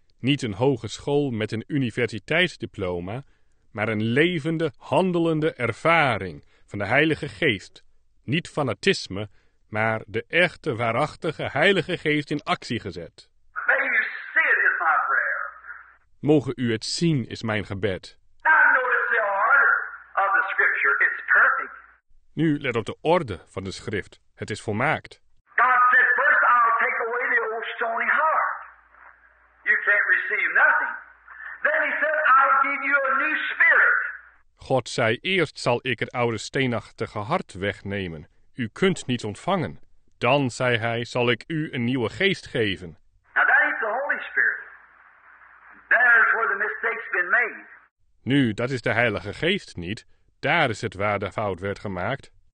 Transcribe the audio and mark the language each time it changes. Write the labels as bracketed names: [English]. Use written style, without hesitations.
[Dutch] Niet een hogeschool met een universiteitsdiploma, maar een levende, handelende ervaring van de Heilige Geest. Niet fanatisme, maar de echte, waarachtige Heilige Geest in actie gezet. [English] May you see it is my prayer. [Dutch] Mogen u het zien, is mijn gebed. [English] Now notice the order of the scripture. It's perfect. [Dutch] Nu let op de orde van de schrift. Het is volmaakt. [English] God said, first I'll take away the old stony heart. You can't receive nothing. Then he said, I'll give you a new spirit. [Dutch] God zei, eerst zal ik het oude steenachtige hart wegnemen. U kunt niet ontvangen. Dan, zei hij, zal ik u een nieuwe geest geven. [English] Now that is the Holy Spirit. There's where the mistake's been made. [Dutch] Nu, dat is de Heilige Geest niet. Daar is het waar de fout werd gemaakt.